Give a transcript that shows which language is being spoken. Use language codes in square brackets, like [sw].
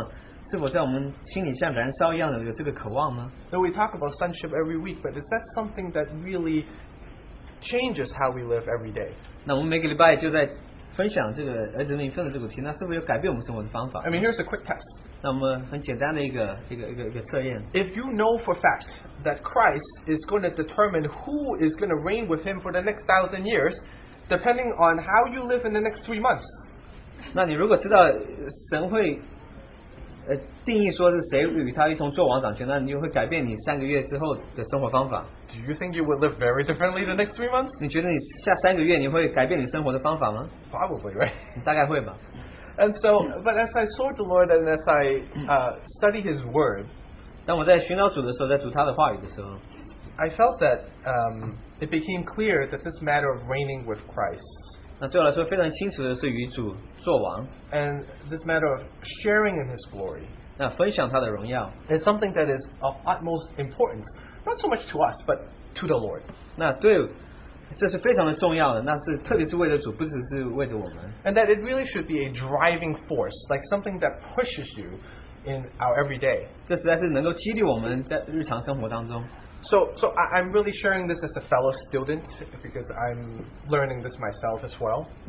[zh] 那得着这个儿子的名分的这个渴望，是否在我们心里像燃烧一样的有这个渴望吗？ [en] So we talk about sonship every week, but is that something that really changes how we live every day? [zh] 那我们每个礼拜就在分享这个儿子名分的这个题，那是否有改变我们生活的方法？ [en] I mean, here's a quick test. [zh] 那么很简单的一个测验。 [en] If you know for fact that Christ is going to determine who is going to reign with him for the next 1,000 years, depending on how you live in the next 3 months, [zh] 那你如果知道神会定义说是谁与他一同做王掌权，那你会改变你三个月之后的生活方法？ [en] Do you think you would live very differently the next 3 months? [zh] 你觉得你下三个月你会改变你生活的方法吗？ [en] Probably, right? [zh] 大概会吧。 [en] And so, but as I sought the Lord and as I study His Word, [zh] 当我在寻找主的时候，在读他的话语的时候, [en] I felt that it became clear that this matter of reigning with Christ, [zh] 那对我来说非常清楚的是与主作王, [en] and this matter of sharing in His glory, [zh] 那分享他的荣耀, [en] is something that is of utmost importance, not so much to us, but to the Lord. [zh] 那对, 这是非常的重要的，那是特别是为了主，不只是为着我们。 [en] And that it really should be a driving force, like something that pushes you in our everyday. [zh] 这实在是能够激励我们在日常生活当中。 [en] So I'm really sharing this as a fellow student because I'm learning this myself as well.